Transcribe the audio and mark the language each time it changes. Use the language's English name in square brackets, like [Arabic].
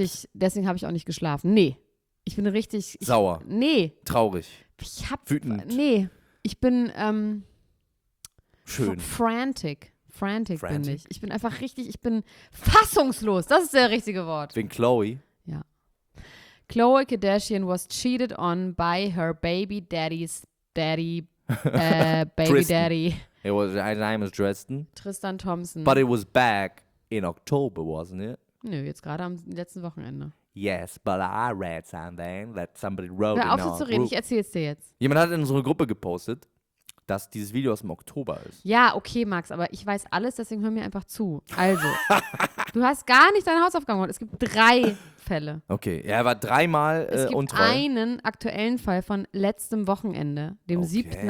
[German] Richtig, deswegen habe ich auch nicht geschlafen. Nee. Ich bin richtig. Sauer. Nee. Traurig. Ich hab. Wütend. Nee. Ich bin. Schön. Frantic. Frantic bin ich. Ich bin einfach richtig. Ich bin fassungslos. Das ist der richtige Wort. Wegen Khloe. Ja. [English] Khloe Kardashian was cheated on by her baby daddy's daddy. baby daddy. It was, his name is Tristan. Tristan Thompson. But it was back in October, wasn't it? [German] Nö, jetzt gerade am letzten Wochenende. [English] Yes, but I read something that somebody wrote in our group. [German] Hör auf zu reden, ich erzähl's dir jetzt. Jemand hat in unserer Gruppe gepostet, dass dieses Video aus dem Oktober ist. Ja, okay, Max, aber ich weiß alles, deswegen hör mir einfach zu. Also, du hast gar nicht deine Hausaufgaben gemacht. Es gibt drei Fälle. Okay, er war dreimal untreu. Es gibt einen aktuellen Fall von letztem Wochenende, dem 7.